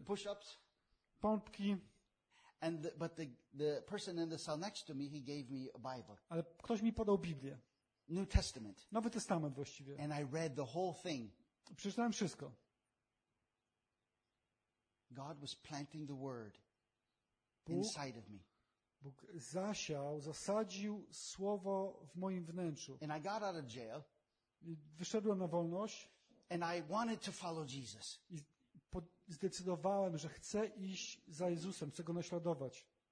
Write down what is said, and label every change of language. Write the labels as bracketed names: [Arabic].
[English] Push-ups. [Polish] Pompki. [English] But the person in the cell next to me, he gave me a Bible. [Polish] Ale ktoś mi podał Biblię. [English] New Testament. [Polish] Nowy Testament właściwie. [English] And I read the whole thing. [Polish] Przeczytałem wszystko. [English] God was planting the word inside of me. [Polish] Bóg zasadził słowo w moim wnętrzu. [English] And I got out of jail. [Polish] Wyszedłem na wolność. [English] And I wanted to follow Jesus. [Polish] Zdecydowałem, że chcę iść za Jezusem, chcę go naśladować.